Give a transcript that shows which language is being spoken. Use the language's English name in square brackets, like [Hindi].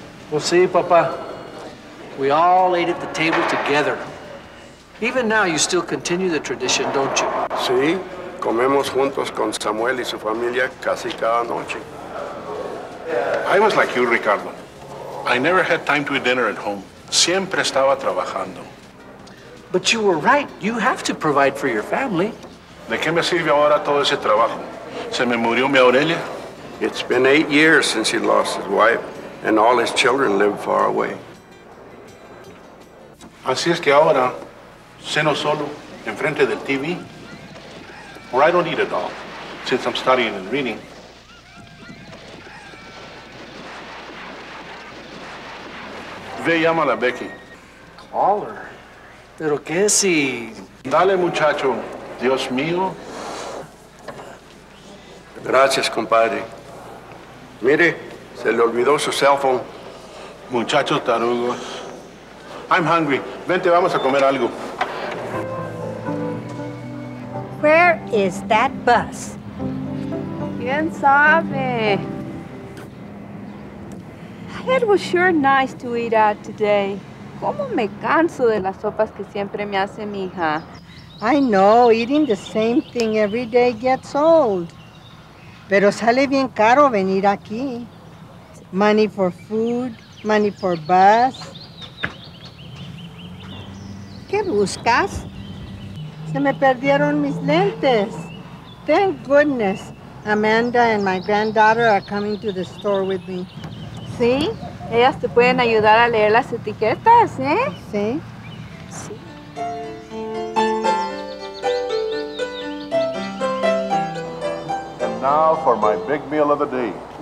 [English] Well, see, Papa, we all ate at the table together. Even now, you still continue the tradition, don't you? [Spanish] Sí, comemos juntos con Samuel y su familia casi cada noche. [English] I was like you, Ricardo. I never had time to eat dinner at home. [Spanish] Siempre estaba trabajando. [English] But you were right. You have to provide for your family. [Spanish] ¿De qué me sirve ahora todo ese trabajo? ¿Se me murió mi Aurelia? [English] It's been 8 years since he lost his wife, and all his children live far away. [Spanish] Así es que ahora, ceno solo, enfrente del TV. [English] Or I don't eat at all, since I'm studying and reading. [Spanish] Ve, llama a la Becky. [English] Call her? [Spanish] Pero qué si... Dale, muchacho. Dios mío. Gracias, compadre. Mire, se le olvidó su cell phone. Muchachos tarugos. [English] I'm hungry. [Spanish] Vente, vamos a comer algo. [English] Where is that bus? [Spanish] ¿Quién sabe? [English] It was sure nice to eat out today. [Spanish] ¿Cómo me canso de las sopas que siempre me hace mi hija? [English] I know, eating the same thing every day gets old. [Spanish] Pero sale bien caro venir aquí. [English] Money for food, money for bus. [Spanish] ¿Qué buscas? Se me perdieron mis lentes. [English] Thank goodness, Amanda and my granddaughter are coming to the store with me. [Spanish] ¿Sí? Ellas te pueden ayudar a leer las etiquetas, ¿eh? Sí. [English] And now for my big meal of the day.